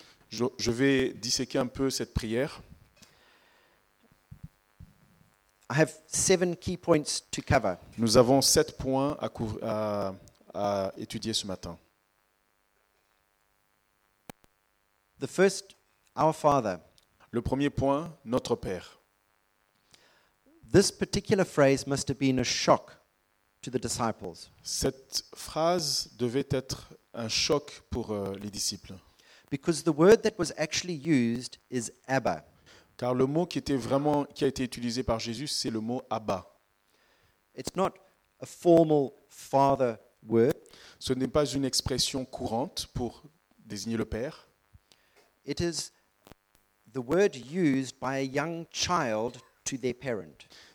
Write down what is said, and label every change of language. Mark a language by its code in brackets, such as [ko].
[fr] Je vais disséquer un peu cette prière. [en] I have 7 key points to cover. [fr] Nous avons 7 points à étudier ce matin. [en] The first, our Father. [fr] Le premier point, notre Père. [en] This particular phrase must have been a shock to the disciples. [fr] Cette phrase devait être un choc pour les disciples. [en] Because the word that was actually used is Abba. [fr] Car le mot qui a été utilisé par Jésus, c'est le mot Abba. [en] It's not a formal father word. [fr] Ce n'est pas une expression courante pour désigner le Père. [en] It is the word used by a young child to their parent.